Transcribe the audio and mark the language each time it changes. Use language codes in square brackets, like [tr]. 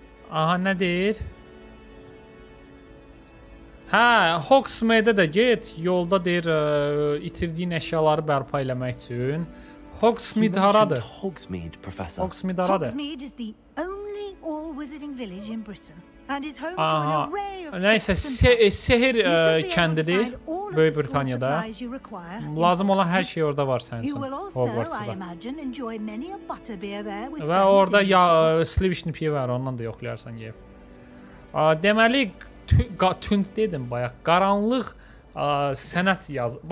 [az] Aha, nə deyir? Hə, Hogsmeade-də də get, yolda deyir, itirdiyin əşyaları bərpa eləmək üçün. Hogsmeade haradır? Hogsmeade, professor. Hogsmeade haradır? [en] Hogsmeade is the only all-wizarding village in Britain and is home to an array of... [az] Aha, nəysə, sehir kəndidir Böyük Britaniyada. Lazım olan hər şey orada var sənin üçün, Hogwarts'da. Və orada Slivishin piyi var, ondan da yoxlayarsan yeyib. Deməli, tünd dedim bayaq, qaranlıq sənət yazı...